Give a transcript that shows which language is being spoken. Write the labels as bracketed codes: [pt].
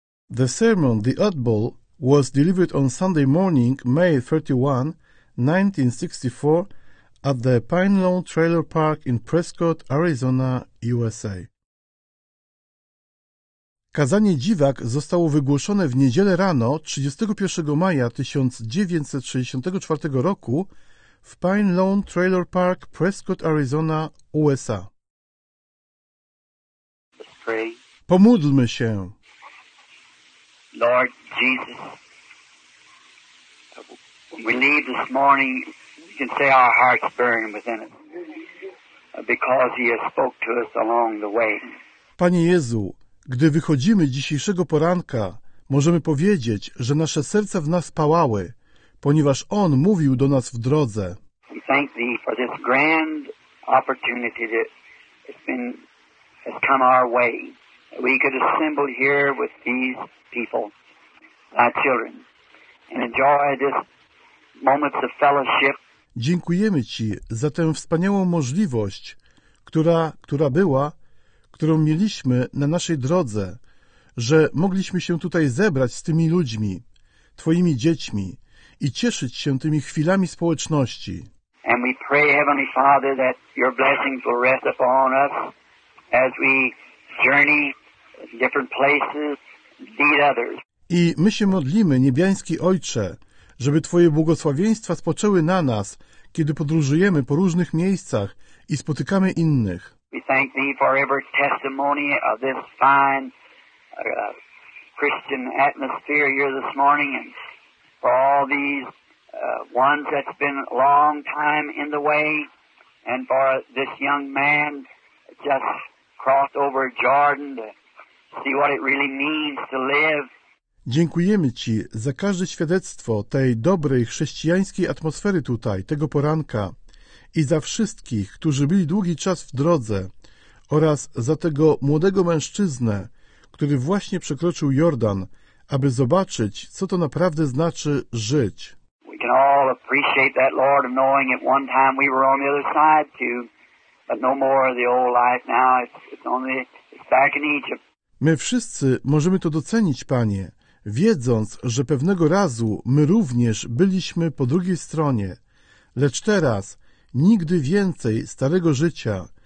[en] The sermon, The Oddball, was delivered on Sunday morning, May 31, 1964, at the Pine Lawn Trailer Park in Prescott, Arizona, USA. [pl] Kazanie dziwak zostało wygłoszone w niedzielę rano 31 maja 1964 roku w Pine Lawn Trailer Park, Prescott, Arizona, USA. Pomódlmy się. [en] Lord Jesus, we need this morning, we can say our hearts burn within us, because He has spoke to us along the way. [pl] Panie Jezu, gdy wychodzimy dzisiejszego poranka, możemy powiedzieć, że nasze serca w nas pałały, ponieważ On mówił do nas w drodze. [en] We thank Thee for this grand opportunity that has come our way. We could assemble here with these people, thy children, and enjoy this moments of fellowship. [pl] Dziękujemy Ci za tę wspaniałą możliwość, która była, którą mieliśmy na naszej drodze, że mogliśmy się tutaj zebrać z tymi ludźmi, Twoimi dziećmi i cieszyć się tymi chwilami społeczności. [en] And we pray, Heavenly Father, that Your blessings will rest upon us as we journey different places, lead others. [pl] I my się modlimy, Niebiański Ojcze, żeby Twoje błogosławieństwa spoczęły na nas, kiedy podróżujemy po różnych miejscach i spotykamy innych. [en] We thank Thee for every testimony of this fine Christian atmosphere here this morning, and for all these ones that's been a long time in the way, and for this young man just crossed over Jordan to see what it really means to live. [pl] Dziękujemy Ci za każde świadectwo tej dobrej chrześcijańskiej atmosfery tutaj, tego poranka, i za wszystkich, którzy byli długi czas w drodze, oraz za tego młodego mężczyznę, który właśnie przekroczył Jordan, aby zobaczyć, co to naprawdę znaczy żyć. [en] We can all appreciate that, Lord, of knowing at one time we were on the other side too, but no more of the old life now, it's back in Egypt. [pl] My wszyscy możemy to docenić, Panie, wiedząc, że pewnego razu my również byliśmy po drugiej stronie, lecz teraz nigdy więcej starego życia.